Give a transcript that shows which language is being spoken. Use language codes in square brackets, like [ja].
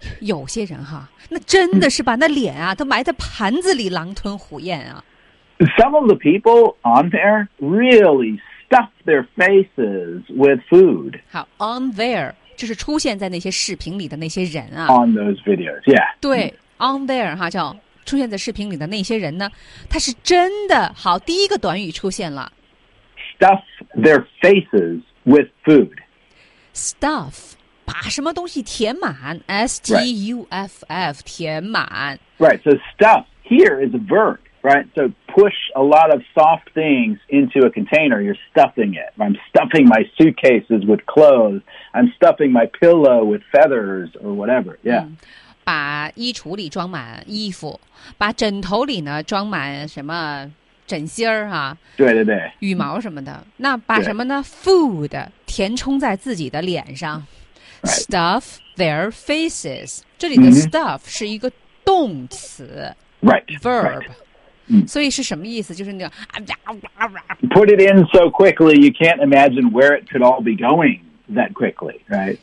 [zh] 有些人哈，那真的是把那脸啊、 [en] mm-hmm. [zh] 都埋在盘子里，狼吞虎咽啊。 [en] Some of the people on there really stuff their faces with food. [zh] 好 [en] ，on there. [zh] 就是出现在那些视频里的那些人啊 [en] ，on those videos, yeah， [zh] 对 ， [en] on there [zh] 哈叫出现在视频里的那些人呢，他是真的好，第一个短语出现了 [en] ，stuff their faces with [zh] food，stuff 把什么东西填满 ，stuff、 [en] right. [zh] 填满 [en] ，right， so stuff here is a verb， right， so push a lot of soft things into a container， you're stuffing it， I'm stuffing my suitcases with clothes。 I'm stuffing my pillow with feathers or whatever. Yeah.、 [zh] 把衣橱里装满衣服，把枕头里呢装满什么枕芯儿啊，对对对，羽毛什么的，那把什么呢 ？Food 填充在自己的脸上、 [en] right. ， stuff their faces。 [zh] 这里的 stuff、 [en] mm-hmm. [zh] 是一个动词 [en] ，right，verb。 Right. [zh] 所以是什么意思？就是那个 [en] ，put it in so quickly you can't imagine where it could all be going that quickly, right?